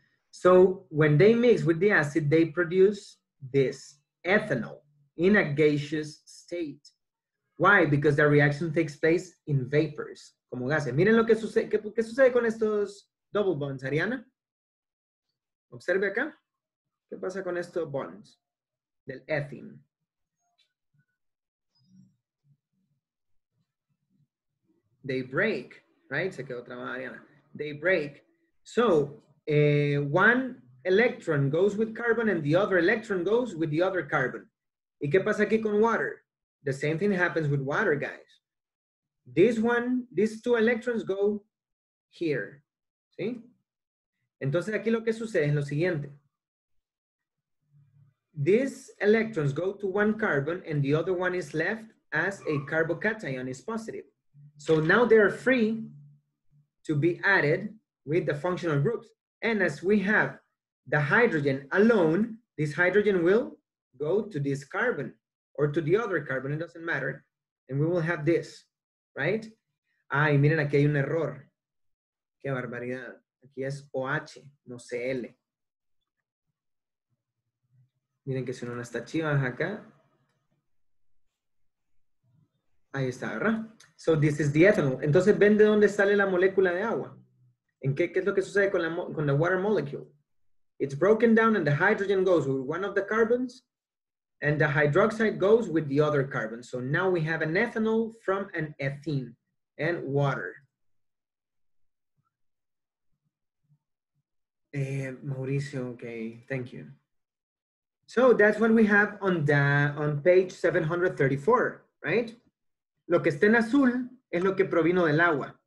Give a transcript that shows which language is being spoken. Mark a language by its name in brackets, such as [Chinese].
[English] So, when they mix with the acid, they produce this ethanol in a gaseous state. Why? Because the reaction takes place in vapors, [Spanish] como gases. Miren lo que sucede, ¿qué sucede con estos double bonds, Ariana? Observe acá. ¿Qué pasa con estos bonds del ethene? [English] They break, right? [Spanish] Se quedó trabada, Ariana. [English] They break. So, one electron goes with carbon and the other electron goes with the other carbon. [Spanish] ¿Y qué pasa aquí con water? [English] The same thing happens with water, guys. This one, these two electrons go here. [Spanish] ¿Sí? Entonces aquí lo que sucede es lo siguiente. [English] These electrons go to one carbon and the other one is left as a carbocation is positive. So now they are free to be added with the functional groups. And as we have the hydrogen alone, this hydrogen will go to this carbon or to the other carbon, it doesn't matter. And we will have this, right? [Spanish] Ay, miren, aquí hay un error. Qué barbaridad. Aquí es OH, no CL. Miren que si uno no está chiva acá. Ahí está, ¿verdad? [English] So this is the ethanol. [Spanish] Entonces, ¿ven de dónde sale la molécula de agua? ¿En qué es lo que sucede con la water molecule? [English] It's broken down and the hydrogen goes with one of the carbons and the hydroxide goes with the other carbon. So now we have an ethanol from an ethene and water. Mauricio, okay, thank you. So that's what we have on page 734, right? [Spanish] Lo que está en azul es lo que provino del agua.